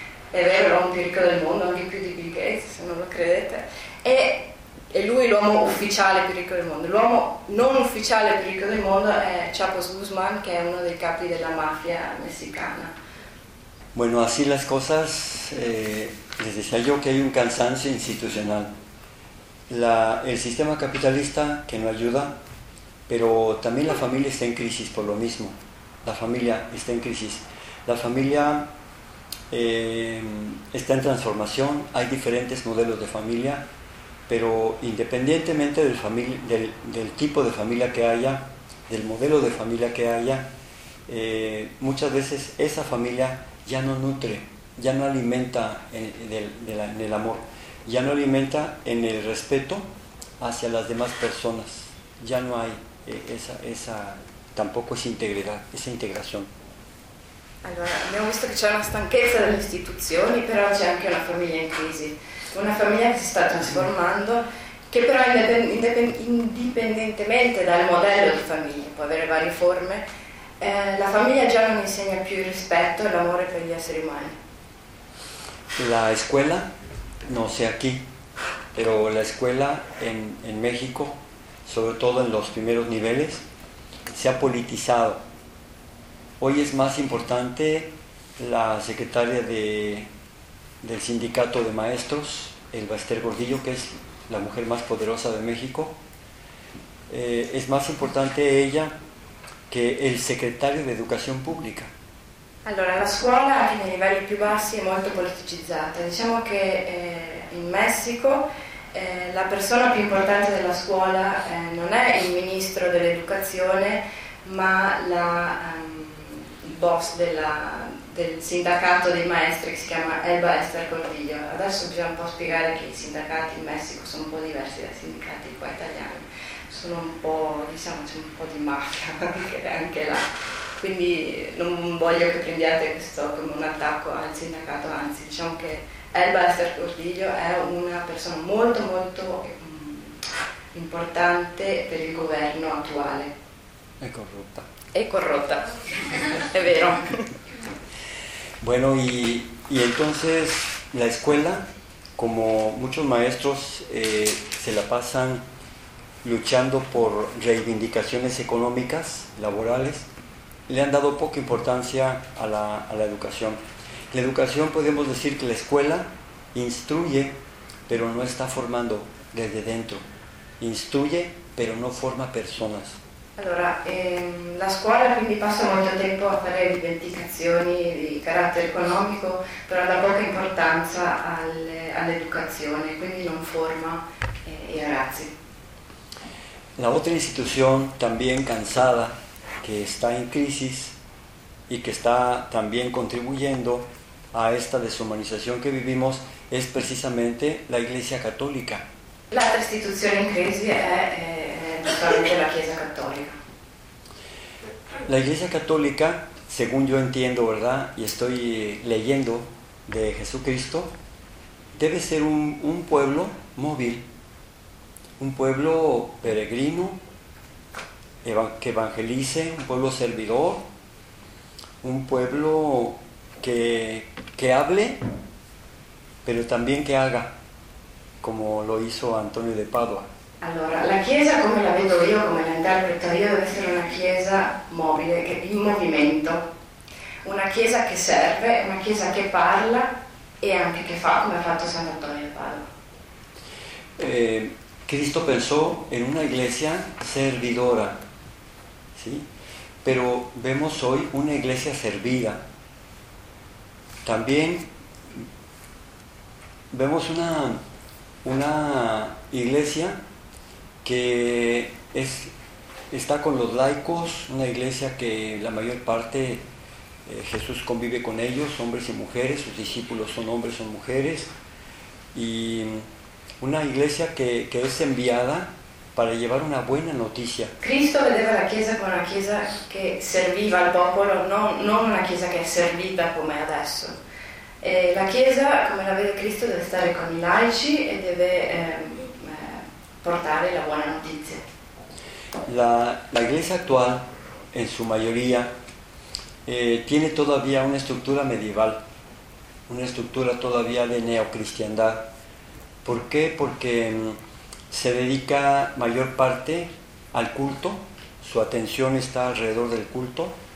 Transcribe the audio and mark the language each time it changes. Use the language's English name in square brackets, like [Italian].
[Italian] È vero, l'uomo più ricco del mondo, anche più di Bill Gates, se non lo credete. E lui l'uomo ufficiale più ricco del mondo. L'uomo non ufficiale più ricco del mondo è Chapo Guzmán, che è uno dei capi della mafia messicana. [Spanish] Bueno, así las cosas, les decía yo que hay un cansancio institucional. El sistema capitalista que no ayuda, pero también la familia está en crisis por lo mismo. La familia está en crisis. La familia está en transformación, hay diferentes modelos de familia, pero independientemente del tipo de familia que haya, del modelo de familia que haya, muchas veces esa familia ya no nutre, ya no alimenta en el amor, ya no alimenta en el respeto hacia las demás personas, ya no hay esa tampoco es integridad, esa integración. [Italian] Allora, abbiamo visto che c'è una stanchezza delle istituzioni, però c'è anche una famiglia in crisi, una famiglia che si sta trasformando, che però indipendentemente dal modello di famiglia, può avere varie forme, la famiglia già non insegna più il rispetto e l'amore per gli esseri umani. [Spanish] La escuela, no sé aquí, pero la escuela en México, sobre todo en los primeros niveles, se ha politizado. Hoy es más importante la secretaria del sindicato de maestros, Elba Esther Gordillo, que es la mujer más poderosa de México. Es más importante ella que el secretario de educación pública. [Italian] Allora, la scuola anche nei livelli più bassi è molto politicizzata. Diciamo che in Messico la persona più importante della scuola non è il ministro dell'educazione, ma il boss del sindacato dei maestri che si chiama El Maestro Cordillo. Adesso bisogna un po' spiegare che i sindacati in Messico sono un po' diversi dai sindacati qua italiani, sono un po', diciamo, c'è un po' di mafia anche là, quindi non voglio che prendiate questo come un attacco al sindacato, anzi, diciamo che El Maestro Cordillo è una persona molto molto importante per il governo attuale. È corrotta, è vero. [Spanish] Bueno, y entonces la escuela, como muchos maestros, se la pasan luchando por reivindicaciones económicas, laborales, le han dado poca importancia a la educación. La educación, podemos decir que la escuela instruye, pero no está formando desde dentro. Instruye, pero no forma personas. [Italian] Allora, la scuola quindi passa molto tempo a fare rivendicazioni di carattere economico, però dà poca importanza all'educazione, quindi non forma i ragazzi. [Spanish] La otra institución también cansada, que está en crisis y que está también contribuyendo a esta deshumanización que vivimos, es precisamente la Iglesia Católica. [Italian] L'altra istituzione in crisi è la Chiesa Cattolica. [Spanish] La Iglesia Católica, según yo entiendo, ¿verdad?, y estoy leyendo de Jesucristo, debe ser un pueblo móvil, un pueblo peregrino, que evangelice, un pueblo servidor, un pueblo que hable, pero también que haga, como lo hizo Antonio de Padua. [Italian] Allora, la Chiesa, come la vedo io, come la interpreto io, deve essere una Chiesa mobile, che in movimento, una Chiesa che serve, una Chiesa che parla e anche che fa, come ha fatto San Antonio de Padua. [Spanish] Cristo pensò in una Iglesia servidora, ¿sí? Pero vemos hoy una Iglesia servida. También vemos una Iglesia que está con los laicos, una Iglesia que la mayor parte, Jesús convive con ellos, hombres y mujeres, sus discípulos son hombres, son mujeres, y una Iglesia que es enviada para llevar una buena noticia. [Italian] Cristo vedeva la Chiesa con una Chiesa que serviva al popolo, non una Chiesa che è servita come adesso. La Chiesa, come la vede Cristo, deve stare con i laici e deve portare la buona notizia. [Spanish] La Iglesia actual, en su mayoría, tiene todavía una estructura medieval, una estructura todavía de neocristiandad. ¿Por qué? Porque se dedica mayor parte al culto, su atención está alrededor del culto.